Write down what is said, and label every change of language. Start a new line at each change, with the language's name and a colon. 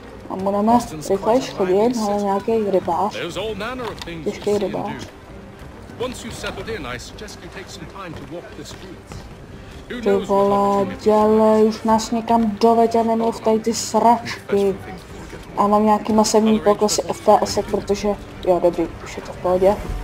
Czech: A budeme rychleji chodit, ale nějaký rybář. Těžký rybář.
English: Once you've settled in, I suggest you take some time to walk the streets.
Czech: Ty vole, dělej, už nás někam doveď a nemluv tady ty sračky. A mám nějaký masivní poklesy FPS, protože... Jo, dobrý, už je to v pohodě.